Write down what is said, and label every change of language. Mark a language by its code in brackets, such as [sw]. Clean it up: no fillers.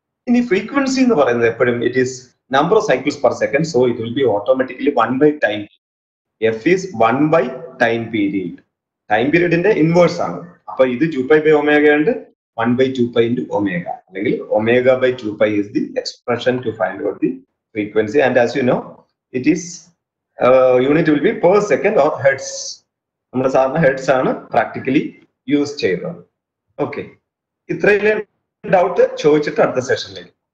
[ml] ഇനി ഫ്രീക്വൻസി എന്ന് പറയുന്നത് എപ്പോഴും [en] It is number of cycles per second. So it will be automatically 1/ടൈം. F is 1/ടൈം period. [ml] Time പീരീഡിന്റെ inverse ആണ്. അപ്പൊ ഇത് 2π/ω ഉണ്ട്, 1/2π(ω), അല്ലെങ്കിൽ [en] Omega by 2π is the expression to find out the frequency, and as you know, it is unit will be per second or hertz. [ml] നമ്മുടെ സാധാരണ heads ആണ് practically use ചെയ്യുന്നത്. Okay, ഇത്രയും ഡൗട്ട് ചോദിച്ചിട്ട് അടുത്ത സെഷനിലേക്ക്.